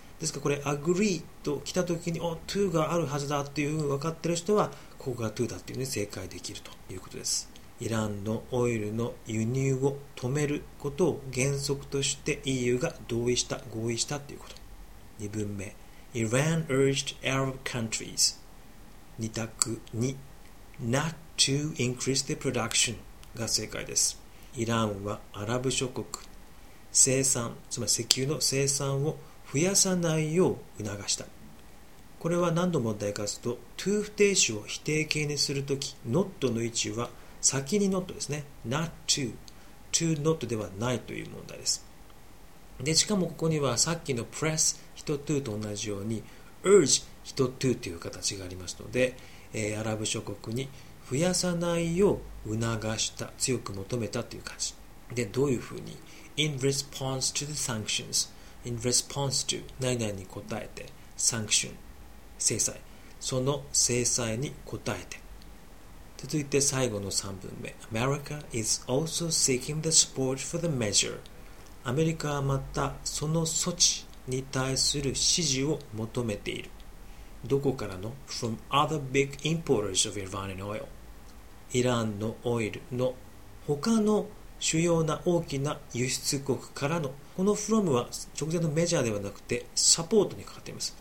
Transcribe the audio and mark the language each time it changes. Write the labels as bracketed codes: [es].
[ja] ですからこれ agree と来た時に、お、to があるはずだというふうに分かっている人は、ここが to だというふうに正解できるということです。イランのオイルの輸入を止めることを原則として EU が同意した、合意したということ。 [en] 2文目。Iran urged Arab countries。 [ja] 2択に、 [en] not to increase the production [ja] が正解です。イランはアラブ諸国、生産、つまり石油の生産を増やさないよう促した。これは何度も題化すると、to 不定詞を否定形にするとき、not の位置は先に not ですね。 [en] not to。 [ja] to not ではないという問題です。で、しかもここにはさっきの press 人 to と同じように、urge 人 to という形がありますので、アラブ諸国に増やさないよう促した、強く求めたという感じ。で、どういうふうに [en] ?in response to the sanctions。 in response to [ja] 何々に応えて、sanction 制裁、その制裁に応えて。続いて最後の3文目。 [en] America is also seeking the support for the measure。 [ja] アメリカはまたその措置に対する支持を求めている。どこからの？ [en] From other big importers of Iranian oil。 [ja] イランのオイルの他の主要な大きな輸出国からの、この from は直前のメジャーではなくてサポートにかかっています。